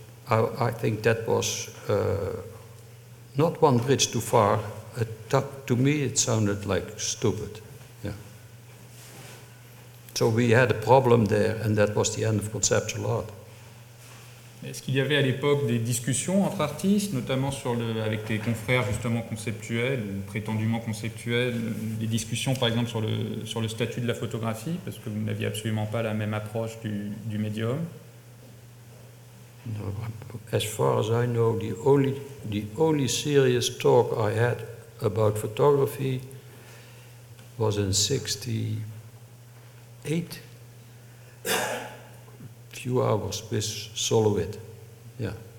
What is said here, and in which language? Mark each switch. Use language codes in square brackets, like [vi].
[en] I think that was not one bridge too far. To me, it sounded like stupid. So we had a problem there, and that was the end of conceptual art. [fr] Est-ce qu'il y avait à l'époque des discussions entre artistes, notamment avec tes confrères justement conceptuels ou prétendument conceptuels, des discussions par exemple sur le statut de la photographie, parce que vous n'aviez absolument pas la même approche du médium? [en] No, as far as I know, the only serious talk I had about photography was in 68, few hours with Solowit, yeah.